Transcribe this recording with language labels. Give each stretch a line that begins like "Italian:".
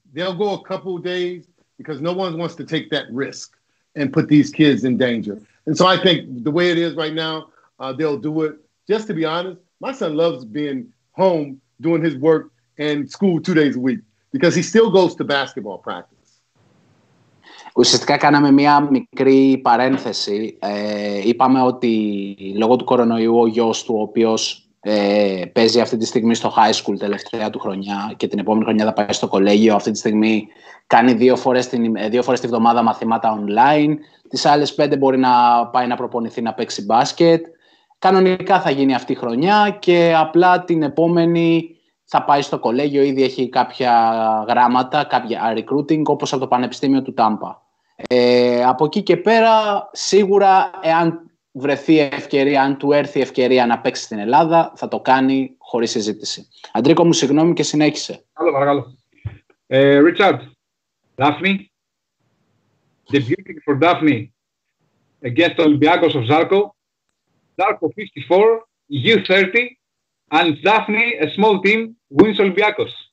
English: They'll go a couple of days, because no one wants to take that risk and put these kids in danger. And so I think the way it is right now, they'll do it. Just to be honest, my son loves being home doing his work and school 2 days a week, because he still goes to basketball practice.
Greek: Ουσιαστικά κάναμε μία μικρή παρένθεση. Είπαμε ότι λόγω του κορονοϊού ο γιος του, ο οποίος παίζει αυτή τη στιγμή στο high school τελευταία του χρονιά και την επόμενη χρονιά θα πάει στο κολέγιο, αυτή τη στιγμή κάνει δύο φορές τη βδομάδα μαθήματα online. Τις άλλες πέντε μπορεί να πάει να προπονηθεί, να παίξει μπάσκετ. Κανονικά θα γίνει αυτή η χρονιά και απλά την επόμενη θα πάει στο κολέγιο, ήδη έχει κάποια γράμματα, κάποια recruiting, όπως από το Πανεπιστήμιο του Τάμπα. Από εκεί και πέρα, σίγουρα, εάν βρεθεί ευκαιρία, αν του έρθει ευκαιρία να παίξει στην Ελλάδα, θα το κάνει χωρίς συζήτηση. Αντρίκο μου, συγγνώμη και συνέχισε. Καλό, παρακαλώ.
English: Richard, Daphne, debuting for Daphne against Olympiakos of Zarco, Zarco 54, U 30, and Daphne, a small team, wins Olympiakos.